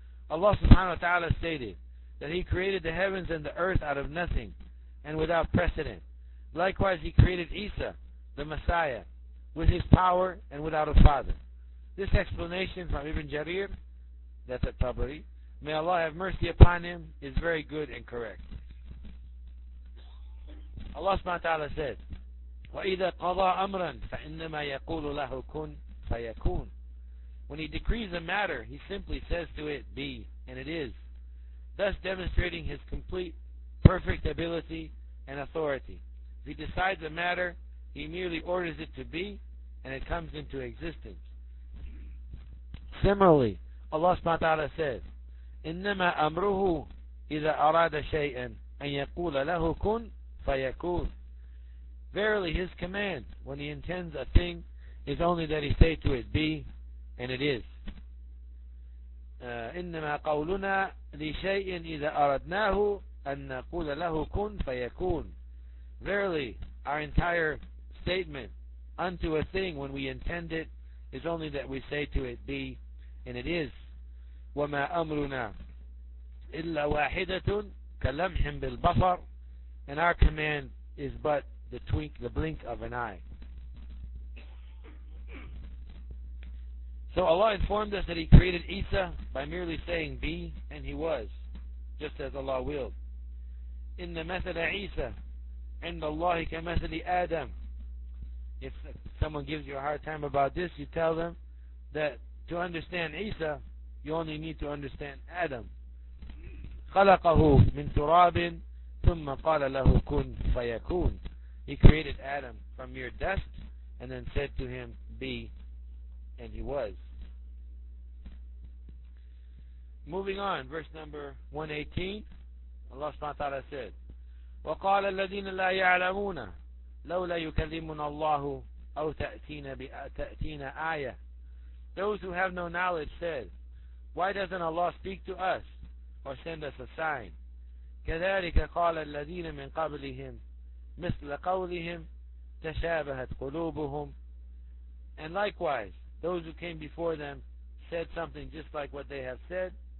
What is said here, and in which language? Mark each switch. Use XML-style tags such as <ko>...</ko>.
<en>Allah subhanahu wa ta'ala stated that He created the heavens and the earth out of nothing and without precedent. Likewise, He created Isa, the Messiah, with His power and without a father. This explanation from Ibn Jarir, that's at Tabari, may Allah have mercy upon him, is very good and correct. Allah subhanahu wa ta'ala said,</en> <ar>وَإِذَا قَضَىٰ أَمْرًا فَإِنَّمَا يَقُولُ لَهُ كُنْ فَيَكُونَ.</ar> <en>When He decrees a matter, He simply says to it, be, and it is, thus demonstrating His complete, perfect ability and authority. If He decides a matter, He merely orders it to be, and it comes into existence. Similarly, Allah subhanahu wa ta'ala says,</en> <ar>إِنَّمَا أَمْرُهُ إِذَا أَرَادَ شَيْئًا أَنْ يَقُولَ لَهُ كُنْ فَيَكُونَ.</ar> <en>Verily, His command, when He intends a thing, is only that He say to it, be, and it is.</en> <ar>إِنَّمَا قَوْلُنَا لِشَيْءٍ إِذَا أَرَدْنَاهُ أَنْ نَقُولَ لَهُ كُنْ فَيَكُونَ.</ar> <en>Verily, our entire statement unto a thing, when we intend it, is only that we say to it, be, and it is.</en> <ar>وما أمرنا إلا واحدة كلمح بالبصر.</ar> <en>And our command is but the twink, the blink of an eye. So Allah informed us that He created Isa by merely saying be, and He was, just as Allah willed.</en> <ar>إن مثل عيسى عند الله كمثل آدم.</ar> <en>If someone gives you a hard time about this, you tell them that to understand Isa, you only need to understand Adam.</en> <ar>خَلَقَهُ مِن تُرَابٍ ثُمَّ قَالَ لَهُ كُنْ فَيَكُونَ.</ar> <en>He created Adam from mere dust and then said to him, be, and he was. Moving on, verse number 118, Allah subhanahu wa ta'ala said,</en> <ar>وَقَالَ الَّذِينَ لَا يَعْلَمُونَ لَوْلَا يُكَلِّمُنَا اللَّهُ أَوْ تَأْتِينَ آيَةٌ.</ar> <en>Those who have no knowledge said, why doesn't Allah speak to us or send us a sign?</en> <ar>كَذَٰلِكَ قَالَ الَّذِينَ مِنْ قَبْلِهِمْ مِثْلَ قَوْلِهِمْ تَشَابَهَتْ قُلُوبُهُمْ.</ar> <en>And likewise, those who came before them said something just like what they have said.</en>